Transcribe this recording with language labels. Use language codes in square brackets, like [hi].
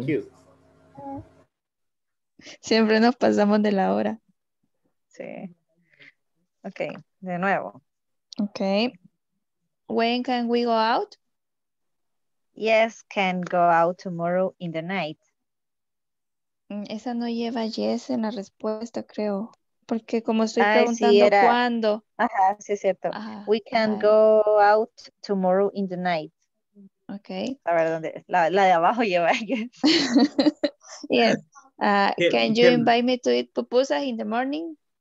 [en] Thank you. [es] Siempre nos pasamos de la hora. Sí. Okay, de nuevo. Okay. [en] When can we go out? Yes, can go out tomorrow in the night. [es] Esa no lleva yes en la respuesta, creo. Porque como estoy preguntando cuándo. Ajá, sí es cierto. [en] We can go out tomorrow in the night. Okay. [es] A ver, ¿dónde es? La de abajo lleva yes. [en] Yes. Can you invite me to eat pupusas in the morning?